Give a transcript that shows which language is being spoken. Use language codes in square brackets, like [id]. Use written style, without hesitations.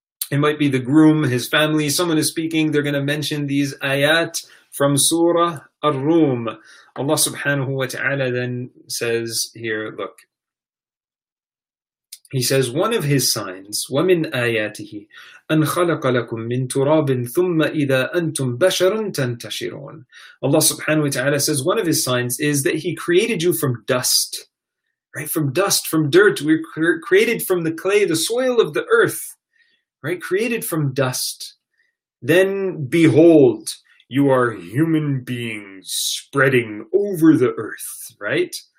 [en] It might be the groom, his family, someone is speaking, they're going to mention these ayat from Surah Ar-Rum. Allah subhanahu wa ta'ala then says here, look. [ar] He says, one of his signs, وَمِنْ آيَاتِهِ أَنْ خَلَقَ لَكُمْ مِنْ تُرَابٍ ثُمَّ إِذَا أَنْتُمْ بَشَرٌ تَنْتَشِرُونَ. [en] Allah subhanahu wa ta'ala says, one of his signs is that he created you from dust. Right? From dust, from dirt. We're created from the clay, the soil of the earth. Right? Created from dust. Then behold, you are human beings spreading over the earth, right?